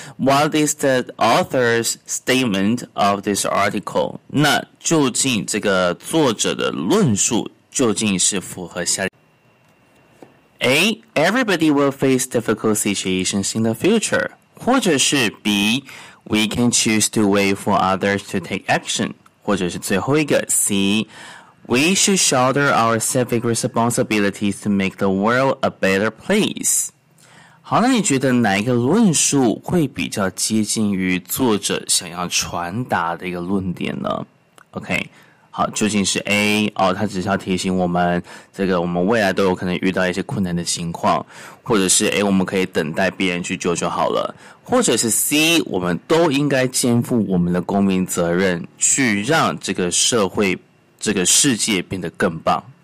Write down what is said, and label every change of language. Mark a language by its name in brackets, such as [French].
[English] What is the author's statement of this article? [Chinese] 那究竟这个作者的论述究竟是符合下列 A. [English] Everybody will face difficult situations in the future [Chinese] 或者是 [English] B. We can choose to wait for others to take action [Chinese] 或者是 [English] 最后一个 C. We should shoulder our civic responsibilities to make the world a better place. [Chinese] 好，那你觉得哪一个论述会比较接近于作者想要传达的一个论点呢？ OK， 好，究竟是 A， 哦，他只是要提醒我们，这个我们未来都有可能遇到一些困难的情况，或者是 A， 我们可以等待别人去救就好了，或者是 C， 我们都应该肩负我们的公民责任，去让这个社会这个世界变得更棒。